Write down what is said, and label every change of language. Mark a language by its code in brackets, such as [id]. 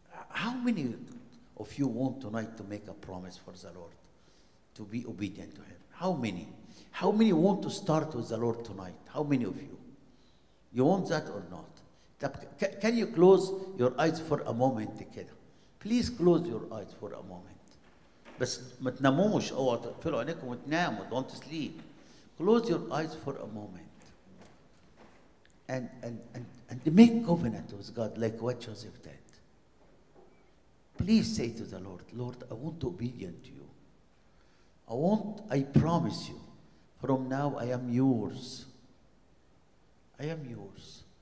[en] How many of you want tonight to make a promise for the Lord? To be obedient to Him? How many? How many want to start with the Lord tonight? How many of you? You want that or not? Can you close your eyes for a moment together? Please close your eyes for a moment. [ar] بس ما تناموش أو تقفلوا عينيكم وتناموا. [en] Don't sleep. Close your eyes for a moment. And make covenant with God like what Joseph did. Please say to the Lord, Lord, I want to be obedient to you. I promise you, from now I am yours. I am yours.